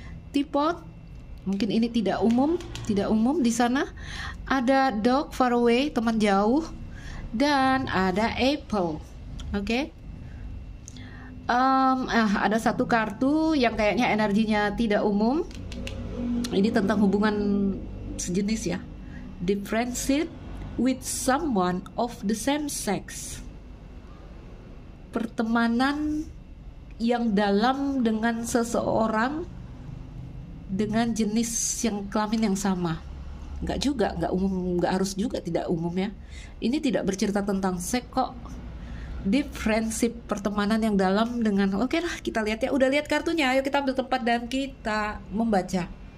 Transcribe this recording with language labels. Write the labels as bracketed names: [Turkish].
[Indonesian] Teapot, mungkin ini tidak umum, tidak umum di sana. Ada [English] dog far away, [Indonesian] teman jauh. Dan ada apple. Oke. Ada satu kartu yang kayaknya energinya tidak umum. Ini tentang hubungan sejenis ya. [English] Differentiate with someone of the same sex. [Indonesian] Pertemanan yang dalam dengan seseorang dengan jenis yang kelamin yang sama. Enggak juga, enggak umum, enggak harus juga tidak umum ya. Ini tidak bercerita tentang seks kok. [English] Deep friendship, [Indonesian] pertemanan yang dalam dengan oke lah kita lihat ya, udah lihat kartunya, ayo kita ambil tempat dan kita membaca.